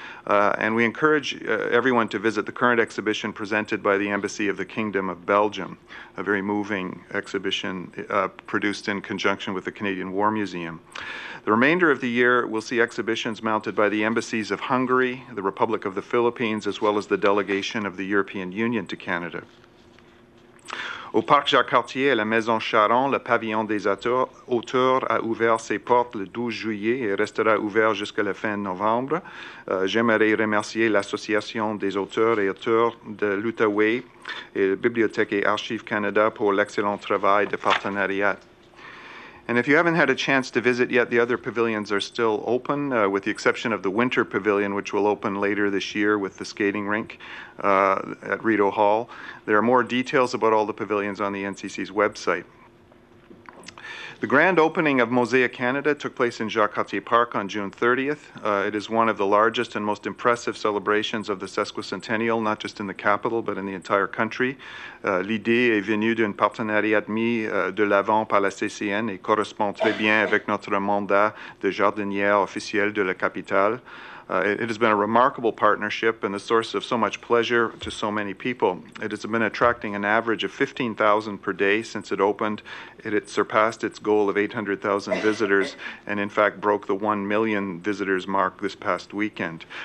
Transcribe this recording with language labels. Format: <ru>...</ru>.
<en>And we encourage everyone to visit the current exhibition presented by the Embassy of the Kingdom of Belgium, a very moving exhibition produced in conjunction with the Canadian War Museum. The remainder of the year, we'll see exhibitions mounted by the embassies of Hungary, the Republic of the Philippines, as well as the delegation of the European Union to Canada.</en> <fr>Au Parc Jacques-Cartier, la Maison Charon, le pavillon des auteurs a ouvert ses portes le 12 juillet et restera ouvert jusqu'à la fin novembre. J'aimerais remercier l'Association des auteurs et auteurs de l'Outaouais et la Bibliothèque et Archives Canada pour l'excellent travail de partenariat.</fr> <en>And if you haven't had a chance to visit yet, the other pavilions are still open, with the exception of the Winter Pavilion, which will open later this year with the skating rink at Rideau Hall. There are more details about all the pavilions on the NCC's website. The grand opening of Mosaic Canada took place in Jacques Cartier Park on June 30th. It is one of the largest and most impressive celebrations of the sesquicentennial, not just in the capital, but in the entire country.</en> <fr>L'idée est venue d'un partenariat mis de l'avant par la CCN et correspond très bien avec notre mandat de jardinière officielle de la capitale.</fr> <en>It has been a remarkable partnership and the source of so much pleasure to so many people. It has been attracting an average of 15,000 per day since it opened. It surpassed its goal of 800,000 visitors and in fact broke the 1 million visitors mark this past weekend.</en>